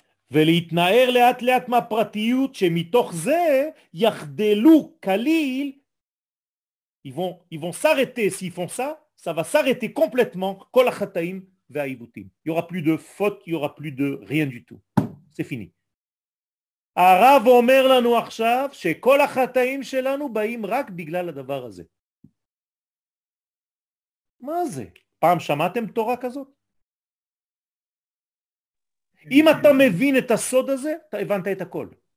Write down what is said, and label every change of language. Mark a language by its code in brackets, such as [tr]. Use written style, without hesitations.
[he] ולהתנער לאט לאט מהפרטיות שמתוך זה יחדלו כליל, [fr] ils vont s'arrêter s'ils font ça, ça va s'arrêter complètement [he] כל החטאים והעיבותים. [fr] Il y aura plus de faute, il y aura plus de rien du tout. C'est fini. [he] הרב אומר לנו עכשיו שכל החטאים שלנו באים רק בגלל הדבר הזה. מה זה? פעם שמעתם תורה כזאת? אם אתה מבין את הסוד הזה, אתה הבנת את הכל.